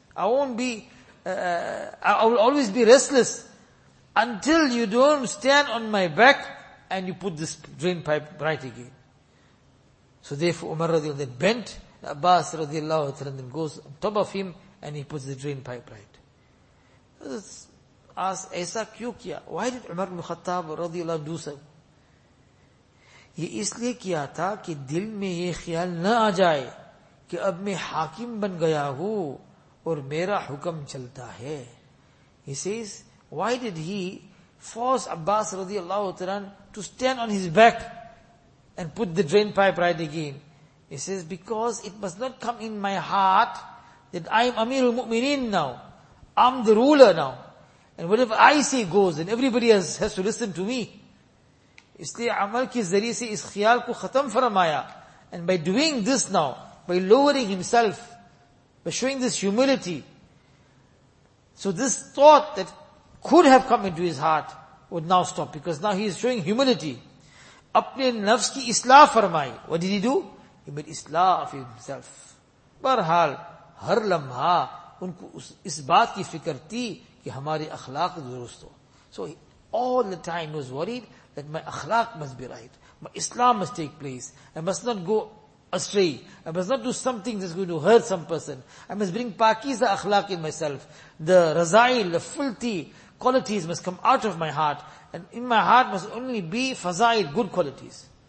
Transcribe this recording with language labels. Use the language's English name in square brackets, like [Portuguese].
[English] I won't be, I will always be restless until you don't stand on my back and you put this drain pipe right again. So therefore Umar radiallahu anhu then bent, Abbas radiallahu anhu then goes on top of him and he puts the drain pipe right. So this asks, [Urdu] aisa kyu kiya? [English] Why did Umar ibn Khattab radiallahu anhu do so? [Urdu] یہ اس لیے کیا تھا کہ دل میں یہ خیال نہ آ جائے کہ اب میں حاکم بن گیا ہوں اور میرا حکم چلتا ہے. [English] He says, why did he force Abbas رضی اللہ عنہ to stand on his back and put the drain pipe right again? He says, because it must not come in my heart that I am Amir al-Mu'mineen now. I'm the ruler now. And whatever I say goes and everybody has to listen to me. [Urdu] اس لیے عمل کے ذریعے سے اس خیال کو ختم فرمایا. [English] And by doing this now, by lowering himself, by showing this humility, so this thought that could have come into his heart would now stop, because now he is showing humility. [Urdu] اپنے نفس کی اصلاح فرمائی. [English] What did he do? He made اصلاح of himself. [Urdu] بہرحال ہر لمحہ ان کو اس بات کی فکر تھی کہ ہمارے اخلاق درست ہو. [English] So all the time he was worried that my akhlaq must be right, my Islam must take place, I must not go astray, I must not do something that's going to hurt some person, I must bring pakiza akhlaq in myself, the raza'il, the filthy qualities must come out of my heart, and in my heart must only be faza'il, good qualities.